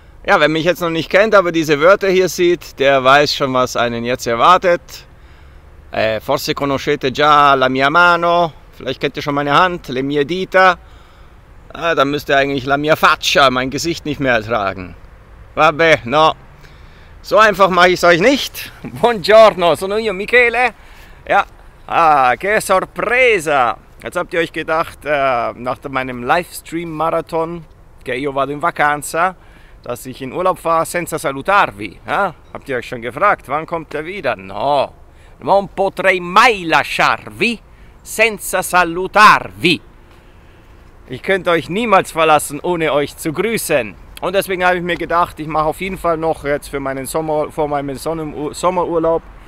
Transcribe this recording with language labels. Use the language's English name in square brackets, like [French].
[German] Ja, wer mich jetzt noch nicht kennt, aber diese Wörter hier sieht, der weiß schon, was einen jetzt erwartet. [Italian] Forse conoscete già la mia mano. [German] Vielleicht kennt ihr schon meine Hand, [Italian] le mie dita. [German] Dann müsst ihr eigentlich [Italian] la mia faccia, [German] mein Gesicht, nicht mehr ertragen. Vabbè, no. So einfach mache ich es euch nicht. [Italian] Buongiorno, sono io Michele. Ja, che sorpresa. [German] Jetzt habt ihr euch gedacht, nach meinem Livestream-Marathon, [Italian] che io vado in vacanza, [German] dass ich in Urlaub war, [Italian] senza salutarvi. [German] Ja? Habt ihr euch schon gefragt, wann kommt er wieder? [Italian] No, non potrei mai lasciarvi senza salutarvi. [German] Ich könnte euch niemals verlassen, ohne euch zu grüßen. Und deswegen habe ich mir gedacht, ich mache auf jeden Fall noch jetzt für meinen Sommer, vor meinem Sommerurlaub.